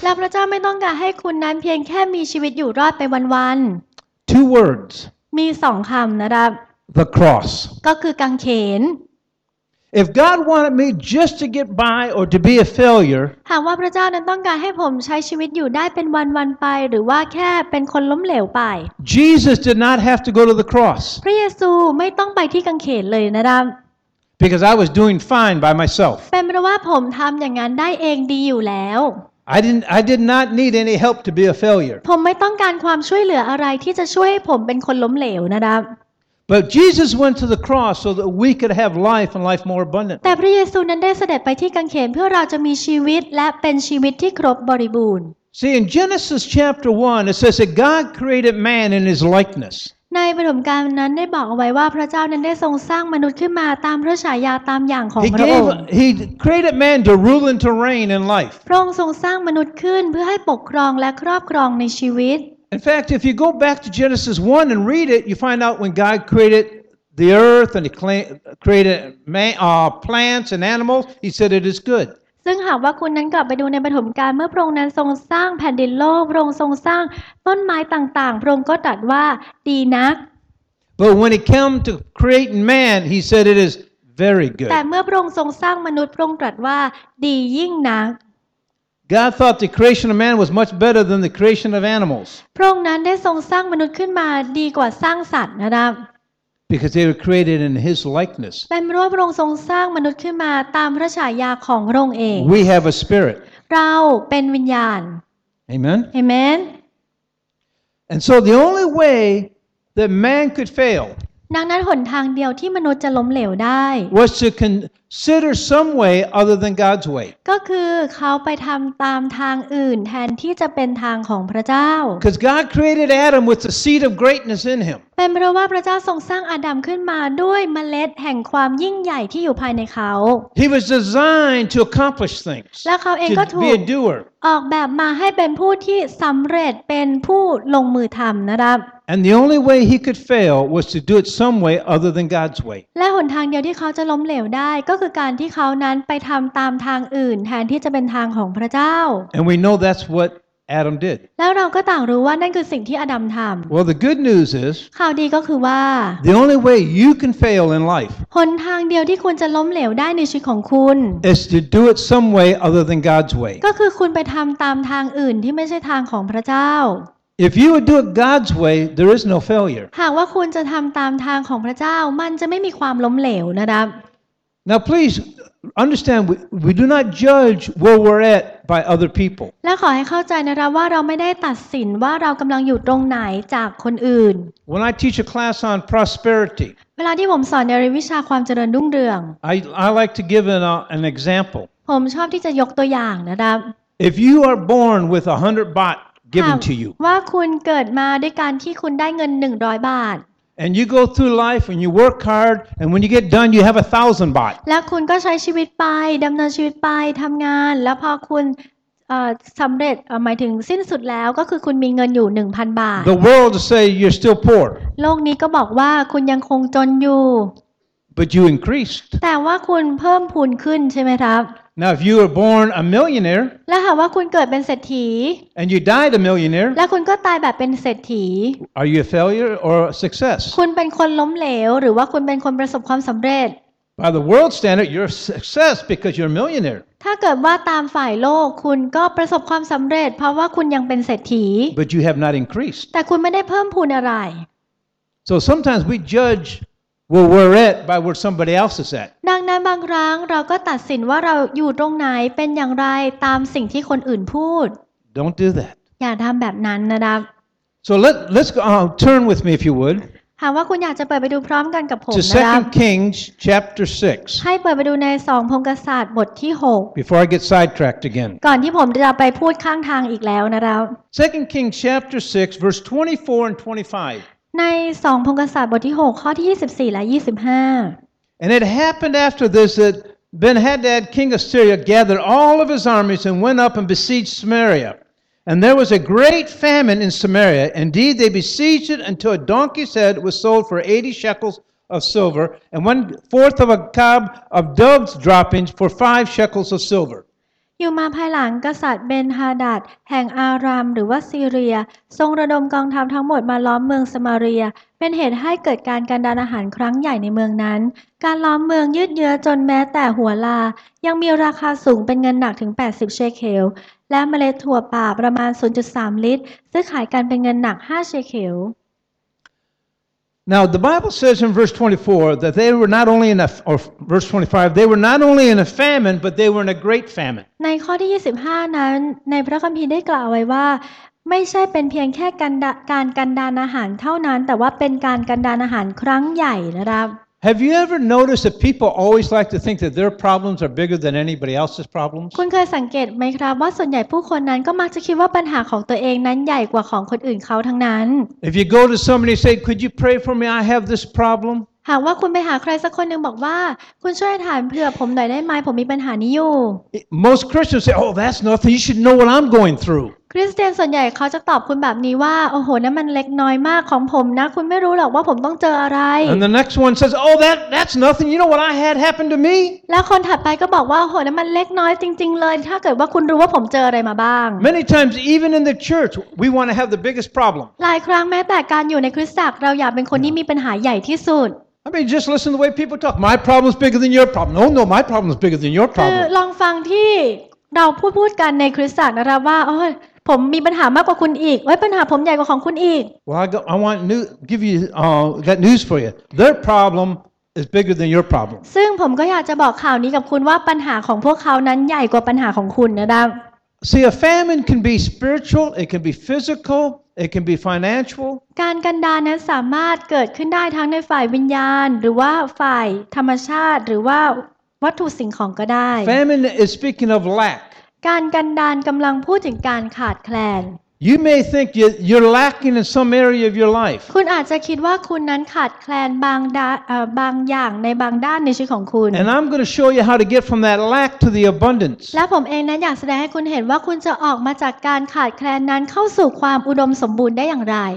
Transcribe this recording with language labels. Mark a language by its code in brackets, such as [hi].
[th] และพระเจ้าไม่ต้องการให้คุณนั้นเพียงแค่มีชีวิตอยู่รอดไปวัน [en] ๆ Two words. [th] มีสองคำนะครับ [en] The cross. [th] ก็คือกางเขน [en] If God wanted me just to get by or to be a failure, [th] หากว่าพระเจ้านั้นต้องการให้ผมใช้ชีวิตอยู่ได้เป็นวันๆไปหรือว่าแค่เป็นคนล้มเหลวไป [en] Jesus did not have to go to the cross. [th] พระเยซูไม่ต้องไปที่กางเขนเลยนะครับ [en] because I was doing fine by myself. [th] เป็นเพราะว่าผมทำอย่างนั้นได้เองดีอยู่แล้ว [en] I did not need any help to be a failure. [th] ผมไม่ต้องการความช่วยเหลืออะไรที่จะช่วยให้ผมเป็นคนล้มเหลวนะครับ [en] But Jesus went to the cross so that we could have life and life more abundant. [th] แต่พระเยซูนั้นได้เสด็จไปที่กางเขนเพื่อเราจะมีชีวิตและเป็นชีวิตที่ครบบริบูรณ์ [en] See in Genesis chapter 1 it says that God created man in his likeness. [th] ในปฐมกาลนั้นได้บอกเอาไว้ว่าพระเจ้านั้นได้ทรงสร้างมนุษย์ขึ้นมาตามพระฉายาตามอย่างของพระองค์ [en] He created man to rule and to reign in life. [th] พระองค์ทรงสร้างมนุษย์ขึ้นเพื่อให้ปกครองและครอบครองในชีวิต [en] In fact, if you go back to Genesis 1 and read it, you find out when God created the earth and he created man, plants and animals, he said it is good. [th] ซึ่งหากว่าคุณนั้นกลับไปดูในปฐมกาลเมื่อพระองค์นั้นทรงสร้างแผ่นดินโลกพระองค์ทรงสร้างต้นไม้ต่างๆพระองค์ก็ตรัสว่าดีนัก [en] But when it came to creating man he said it is very good [th] แต่เมื่อพระองค์ทรงสร้างมนุษย์พระองค์ตรัสว่าดียิ่งนัก [en] God thought the creation of man was much better than the creation of animals [th] พระองค์นั้นได้ทรงสร้างมนุษย์ขึ้นมาดีกว่าสร้างสัตว์นะครับ [en] Because they were created in His likeness. [th] เป็นเพราะพระองค์ทรงสร้างมนุษย์ขึ้นมาตามพระฉายาของพระองค์เอง [en] We have a spirit. [th] เราเป็นวิญญาณ [en] Amen. Amen. And so the only way that man could fail. [th] ดังนั้นหนทางเดียวที่มนุษย์จะล้มเหลวได้ [en] Was to consider some way other than God's way. [th] ก็คือเขาไปทำตามทางอื่นแทนที่จะเป็นทางของพระเจ้า [en] Because God created Adam with the seed of greatness in him. [th] เป็นเพราะว่าพระเจ้าทรงสร้างอาดัมขึ้นมาด้วยเมล็ดแห่งความยิ่งใหญ่ที่อยู่ภายในเขา [en] He was designed to accomplish things [th] และเขาเองก็ถู กออกแบบมาให้เป็นผู้ที่สำเร็จเป็นผู้ลงมือทำนะครับ [en] And the only way he could fail was to do it some way other than God's way [th] และหนทางเดียวที่เขาจะล้มเหลวได้ก็คือการที่เขานั้นไปทำตามทางอื่นแทนที่จะเป็นทางของพระเจ้า [en] And we know that's whatAdam did. [th] แล้วเราก็ต่างรู้ว่านั่นคือสิ่งที่อดัมทำ [en] Well, the good news is. [th] ข่าวดีก็คือว่า [en] The only way you can fail in life. [th] หนทางเดียวที่คุณจะล้มเหลวได้ในชีวิตของคุณ [en] is to do it some way other than God's way. [th] ก็คือคุณไปทำตามทางอื่นที่ไม่ใช่ทางของพระเจ้า [en] If you would do it God's way, there is no failure. [th] หากว่าคุณจะทำตามทางของพระเจ้ามันจะไม่มีความล้มเหลวนะครับ [en] Now, please. Understand we do not judge where we're at by other people. [th] และขอให้เข้าใจนะครับว่าเราไม่ได้ตัดสินว่าเรากำลังอยู่ตรงไหนจากคนอื่น [en] When I teach a class on prosperity, [th] เวลาที่ผมสอนในวิชาความเจริญรุ่งเรือง [en] I like to give an example. [th] ผมชอบที่จะยกตัวอย่างนะครับ [en] If you are born with 100 baht given to you, [th] ว่าคุณเกิดมาด้วยการที่คุณได้เงิน100บาท [en] And you go through life and you work hard and when you get done you have 1,000 baht. [th] แล้วคุณก็ใช้ชีวิตไปดำเนินชีวิตไปทำงานแล้วพอคุณสำเร็จหมายถึงสิ้นสุดแล้วก็คือคุณมีเงินอยู่ 1,000 บาท [en] The world say you're still poor. [th] โลกนี้ก็บอกว่าคุณยังคงจนอยู่ [en] But you increased. [th] แต่ว่าคุณเพิ่มพูนขึ้นใช่ไหมครับ [en] Now if you were born a millionaire. [th] แล้วหากว่าคุณเกิดเป็นเศรษฐี [en] And you died a millionaire. [th] แล้วคุณก็ตายแบบเป็นเศรษฐี [en] Are you a failure or a success? [th] คุณเป็นคนล้มเหลวหรือว่าคุณเป็นคนประสบความสำเร็จ [en] By the world standard, you're a success because you're a millionaire. [th] ถ้าเกิดว่าตามฝ่ายโลกคุณก็ประสบความสำเร็จเพราะว่าคุณยังเป็นเศรษฐี [en] But you have not increased. [th] แต่คุณไม่ได้เพิ่มพูนอะไร [en] So sometimes we judge. Well, we're at by where somebody else is at. [th] ดังนั้นบางครั้งเราก็ตัดสินว่าเราอยู่ตรงไหนเป็นอย่างไรตามสิ่งที่คนอื่นพูด [en] Don't do that. [th] อย่าทำแบบนั้นนะครับ [en] So let's go. Turn with me if you would. [th] หากว่าคุณอยากจะเปิดไปดูพร้อมกันกับผมนะครับ [en] To 2 Kings chapter 6. [th] ให้เปิดไปดูใน2พงศกษัตริย์บทที่6 [en] Before I get sidetracked again. [th] ก่อนที่ผมจะไปพูดข้างทางอีกแล้วนะครับ [en] 2 Kings chapter 6 verse 24 and 25. [th] ใน2พงศกษัตริย์บทที่6ข้อที่24และ25 [en] And it happened after this that Ben-Hadad king of Syria gathered all of his armies and went up and besieged Samaria and there was a great famine in Samaria indeed they besieged it until a donkey's head was sold for 80 shekels of silver and 1/4 of a cob of dove's droppings for 5 shekels of silvery [th] มาภายหลังกษัตริย์เบนฮาดาดแห่งอารามหรือว่าซีเรียทรงระดมกองทัพทั้งหมดมาล้อมเมืองสมาเรียเป็นเหตุให้เกิดการกันดารอาหารครั้งใหญ่ในเมืองนั้นการล้อมเมืองยืดเยื้อจนแม้แต่หัวลายังมีราคาสูงเป็นเงินหนักถึง80เชเคลและเมล็ดถั่วป่าประมาณ 0.3 ลิตรซื้อขายกันเป็นเงินหนัก5เชเคล [en] Now the Bible says in verse 24 that they were not only in a or verse 25 they were not only in a famine but they were in a great famine. [th] ในข้อที่25นั้นในพระคัมภีร์ได้กล่าวไว้ว่าไม่ใช่เป็นเพียงแค่การกันดารอาหารเท่านั้นแต่ว่าเป็นการกันดารอาหารครั้งใหญ่นะครับ [en] Have you ever noticed that people always like to think that their problems are bigger than anybody else's problems? [th] คุณเคยสังเกตไหมครับว่าส่วนใหญ่ผู้คนนั้นก็มักจะคิดว่าปัญหาของตัวเองนั้นใหญ่กว่าของคนอื่นเขาทั้งนั้น [en] If you go to somebody and say, "Could you pray for me? I have this problem." [th] หากว่าคุณไปหาใครสักคนหนึ่งบอกว่าคุณช่วยถามเผื่อผมหน่อยได้ไหมผมมีปัญหานี้อยู่ [en] Most Christians say, "Oh, that's nothing. You should know what I'm going through." [th] คริสเตียนส่วนใหญ่เขาจะตอบคุณแบบนี้ว่าโอ้โหนั่นมันเล็กน้อยมากของผมนะคุณไม่รู้หรอกว่าผมต้องเจออะไร [en] And the next one says oh that's nothing you know what I had happened to me [th] แล้วคนถัดไปก็บอกว่าโอ้โหนั่นมันเล็กน้อยจริงๆเลยถ้าเกิดว่าคุณรู้ว่าผมเจออะไรมาบ้าง [en] Many times even in the church we want to have the biggest problem [th] หลายครั้งแม้แต่การอยู่ในคริสตจักรเราอยากเป็นคนที่มีปัญหาใหญ่ที่สุด [en] I mean, just listen to the way people talk. My problem is bigger than your problem. No, no, my problem is bigger than your problem. [th] ลองฟังที่เราพูดกันในคริสตจักรนะครับว่าผมมีปัญหามากกว่าคุณอีกไว้ปัญหาผมใหญ่กว่าของคุณอีก [en] Well, I want to give you got news for you. Their problem is bigger than your problem. [th] ซึ่งผมก็อยากจะบอกข่าวนี้กับคุณว่าปัญหาของพวกเขานั้นใหญ่กว่าปัญหาของคุณนะครับ [en] See, a famine can be spiritual. It can be physical. It can be financial. [th] การกันดารนั้นสามารถเกิดขึ้นได้ทั้งในฝ่ายวิญญาณหรือว่าฝ่ายธรรมชาติหรือว่าวัตถุสิ่งของก็ได้ [en] Famine is speaking of lack. [th] การกันดารกำลังพูดถึงการขาดแคลน [en] You may think you're lacking in some area of your life [th] คุณอาจจะคิดว่าคุณนั้นขาดแคลนบางอย่างในบางด้านในชีวิตของคุณ [en] And I'm going to show you how to get from that lack to the abundance [th] และผมเองนั้นอยากแสดงให้คุณเห็นว่าคุณจะออกมาจากการขาดแคลนนั้นเข้าสู่ความอุดมสมบูรณ์ได้อย่างไร